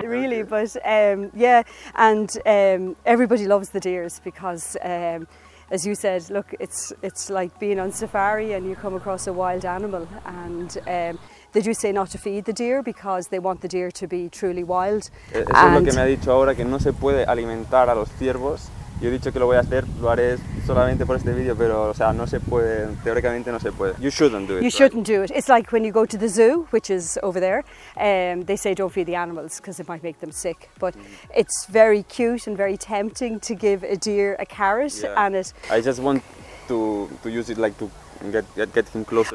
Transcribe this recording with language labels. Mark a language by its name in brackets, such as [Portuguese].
[English] Really, okay. But yeah, and everybody loves the deers because, as you said, look, it's like being on safari and you come across a wild animal. And they do say not to feed the deer because they want the deer to be truly wild. [Spanish] Eso es lo que me ha dicho ahora, que no se puede alimentar a los ciervos. Yo he dicho que lo voy a hacer, lo haré solamente por este vídeo, pero, o sea, no se puede, teóricamente no se puede. [English] You shouldn't do it. You shouldn't do it. It's like when you go to the zoo, which is over there, they say don't feed the animals because it might make them sick. But it's very cute and very tempting to give a deer a carrot. Yeah. And it, I just want to use it like to get him closer.